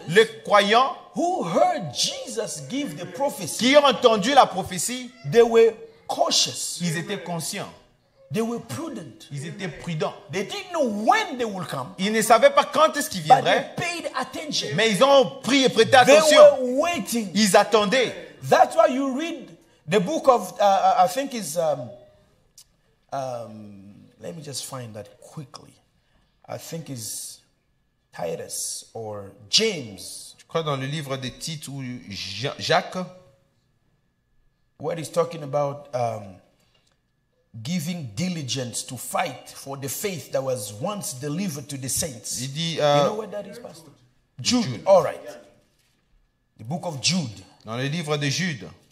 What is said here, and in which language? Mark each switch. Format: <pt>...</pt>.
<fr>les croyants,</fr> <en>who heard Jesus give the prophecy,</en> <fr>qui ont entendu la prophétie,</fr> <en>they were cautious.</en> <fr>Ils étaient conscients.</fr> <en>They were prudent.</en> <fr>Ils étaient prudents.</fr> <en>They didn't know when they will come.</en> <fr>Ils ne savaient pas quand est-ce qu'ils viendraient.</fr> <en>But they paid attention.</en> <fr>Mais ils ont prié et prêté attention.</fr> <en>They were waiting.</en> <fr>Ils attendaient.</fr> <en>That's why you read the book of I think it's let me just find that quickly. I think it's Titus or James.</en> <fr>Je crois dans le livre de Tite ou Jacques.</fr> <en>Where he's talking about giving diligence to fight for the faith that was once delivered to the saints.</en> <fr>Il dit,</fr> <en>you know where that is, Pastor? Jude. All right. The book of Jude.</en> <fr>Dans le livre de Jude.</fr>